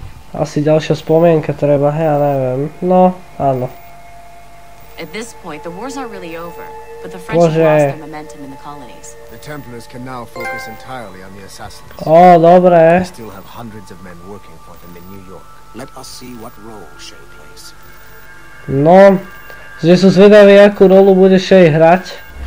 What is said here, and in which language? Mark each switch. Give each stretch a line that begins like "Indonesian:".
Slovak: Asi ďalšia spomienka treba, ja neviem. No, áno.
English: At this point, the wars aren't really over, but the French have lost their momentum in the colonies. The Templars can now focus entirely on the assassins.
Slovak: Oh, dobre.
English: They still have hundreds of men working for them in New York. Let us see what role Shay plays.
Slovak: No, že sú zvedaví, akú rolu bude Shay hrať.